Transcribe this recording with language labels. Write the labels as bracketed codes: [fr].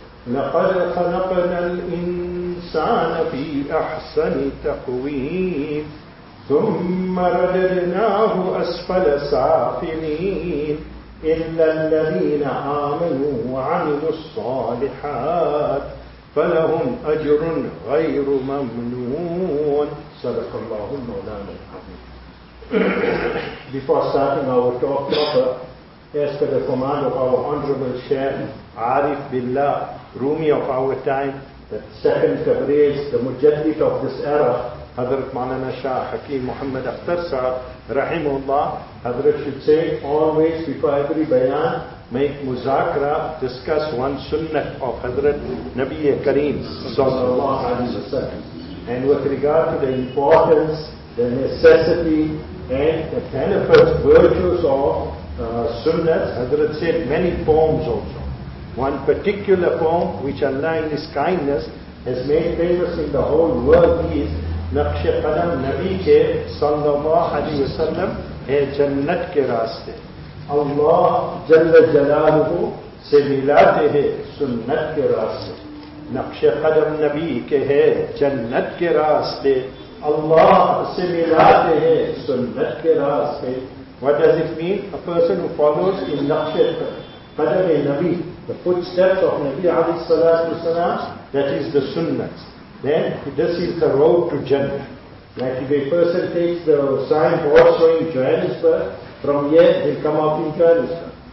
[ar] لقد خلقنا الإنسان في أحسن تقويم ثم رددناه أسفل سافلين إلا الذين آمنوا وعملوا الصالحات فلهم أجر غير ممنون. صدق الله مولانا العظيم. [en] Before starting our talk proper, as per the command of our Honorable Sheikh Arif Billah, Rumi of our time, the second Tabriz, the Mujaddid of this era, Hazrat Maulana Shah Hakim Muhammad Akhtar Sahib, Rahimullah, Hazrat should say, always before every bayan, make muzakra, discuss one sunnah of Hazrat Nabiya Kareem, sallallahu alayhi wa sallam. And with regard to the importance, the necessity, and the benefits, virtues of sunnah, Hazrat said many forms also. One particular form, which Allah in His kindness has made famous in the whole world, is [ur] نقش قدم نبی کے صلی اللہ علیہ وسلم ہے جنت کے راستے. اللہ جل جلالہ سے ملاتے ہیں سنت کے راستے. نقش قدم نبی کے ہے جنت کے راستے. اللہ سے ملاتے ہیں سنت کے راستے. [en] What does it mean? A person who follows in [ur] نقش قدم نبی, [en] the footsteps of نبی علیہ السلام, that is the sunnah. Then this is the road to Jannah. Like if a person takes the signboard showing Johannesburg, from here he'll come out in Johannesburg.